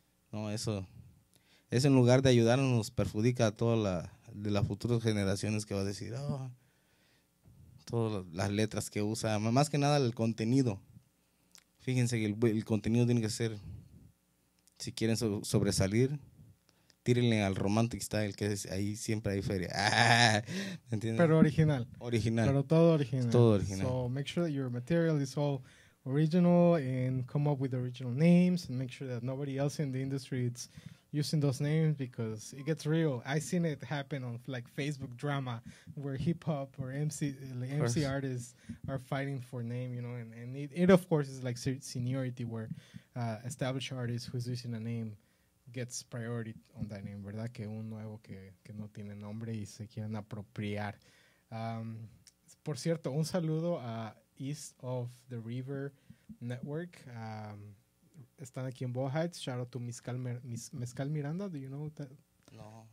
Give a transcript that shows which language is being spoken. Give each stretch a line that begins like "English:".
Spanish: No, eso es, en lugar de ayudarnos, nos perjudica a todas las futuras generaciones que va a decir, oh, todas las letras que usa, más que nada el contenido. Fíjense que el contenido tiene que ser, si quieren sobresalir, tírenle al Romantic Style, que es, ahí siempre hay feria. ¿Me entiendes? Pero original. Original. Pero todo original. Es todo original.
English: So make sure that your material is all original and come up with original names and make sure that nobody else in the industry is using those names, because it gets real. I've seen it happen on like Facebook drama where hip hop or MC artists are fighting for name, you know, and it of course is like seniority where established artists who's using a name gets priority on that name,
Spanish: ¿verdad? Que un nuevo que no tiene nombre y se quieren apropiar. Por cierto, un saludo a East of the River Network. Están aquí en Boca Heights.
English: Shout out to Mezcal Miranda. Do you know that?
Spanish: No.